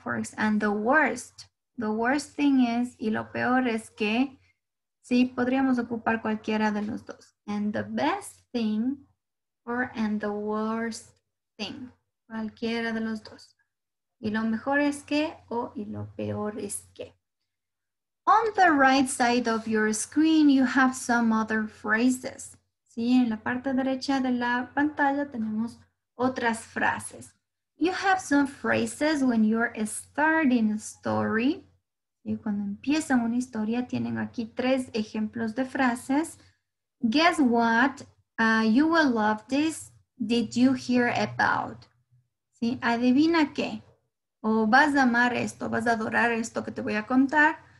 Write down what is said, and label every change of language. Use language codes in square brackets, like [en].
[en] For example, and the worst thing is, [es] y lo peor es que, sí, podríamos ocupar cualquiera de los dos. [en] And the best thing, or and the worst thing, [es] cualquiera de los dos. Y lo mejor es que, o y lo peor es que. [en] On the right side of your screen, you have some other phrases. [es] Sí, en la parte derecha de la pantalla tenemos otras frases. [en] You have some phrases when you're starting a story. [es] Y cuando empiezan una historia, tienen aquí tres ejemplos de frases. [en] Guess what? You will love this. Did you hear about? ¿Sí? [es] ¿Adivina qué? O vas a amar esto, vas a adorar esto que te voy a contar.